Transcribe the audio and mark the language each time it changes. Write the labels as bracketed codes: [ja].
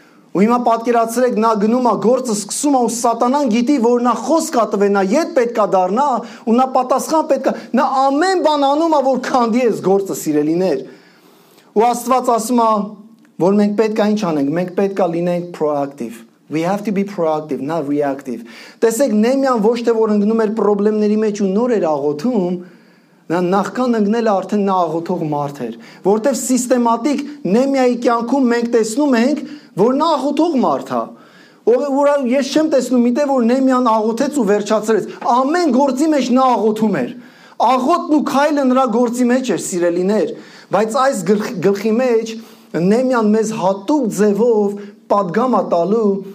[hy] Ու հիմա պատկերացրեք, նա գնում է, գործը սկսում է, ու Սատանան գիտի, որ նա խոսք է տվել, նա ետ պետք է դառնա, ու նա պատասխան պետք է, նա ամեն բան անում է, որ քանդի ես գործը, սիրելիներ։ Ու Աստված ասում է, որ մենք պետք է ինչ անենք, մենք պետք է լինենք proactive. [en] We have to be proactive, not reactive. [hy] Տեսեք, Նեհեմիան ոչ թե որ ընկնում էր problem-ների մեջ ու նոր էր աղոթում, նա նախքան ընկնել արդեն նա աղոթող մարդ էր, որտեղ սիստեմատիկ Նեհեմիայի կյանքում մենք տեսնում ենք, որ նա աղոթող մարդ է։ Որը ես չեմ տեսնում միտե, որ Նեհեմիան աղոթեց ու վերջացրեց, ամեն գործի մեջ նա աղոթում էր, աղոթն ու քայլը նրա գործի մեջ էր, սիրելիներ, բայց այս գլխի մեջ Նեհեմիան մեզ հատուկ ձևով պատգամ է տալու,